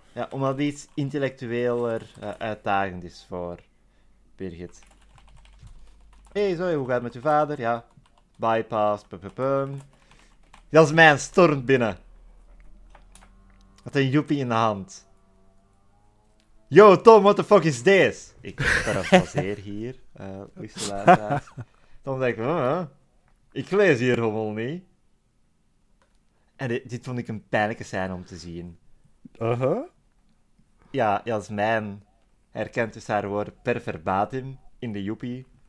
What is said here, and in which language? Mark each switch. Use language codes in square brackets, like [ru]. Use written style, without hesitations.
[nl] Ja, omdat het iets intellectueler uitdagend is voor Birgit. Hey, zo, hoe gaat het met je vader? Ja. Bypass, pum. Jasmijn stormt binnen. Met een joepie in de hand. [en] Yo, Tom, what the fuck is this? [nl] Ik parafraseer hier, liefste luisteraars. Tom denkt, ik lees hier helemaal niet. En dit vond ik een pijnlijke scène om te zien. Ja, Jasmijn herkent dus haar woord per verbatim in de joepie.